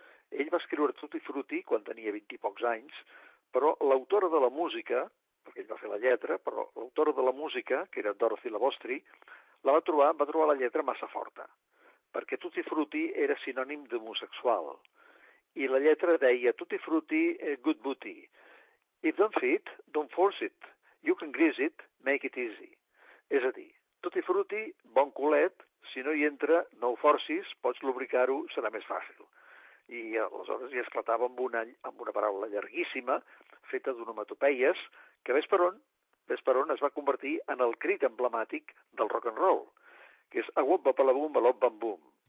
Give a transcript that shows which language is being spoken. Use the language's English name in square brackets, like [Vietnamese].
[Catalan] Ell va escriure Tutti Frutti quan tenia 20 i pocs anys, però l'autora de la música, perquè ell va fer la lletra, però l'autora de la música, que era Dorothy Labostri, va trobar la lletra massa forta, perquè Tutti Frutti era sinònim d'homosexual. I la lletra deia Tutti Frutti, [English] good booty. If don't fit, don't force it. You can grease it, make it easy. [Catalan] És a dir, Tutti Frutti, bon culet, si no hi entra, no ho forcis, pots lubricar-ho, serà més fàcil. I aleshores hi esclatava amb una paraula llarguíssima, feta d'onomatopeies, que ves per on es va convertir en el crit emblemàtic del rock and roll, que és a wop bop a la bum a lop bam bum.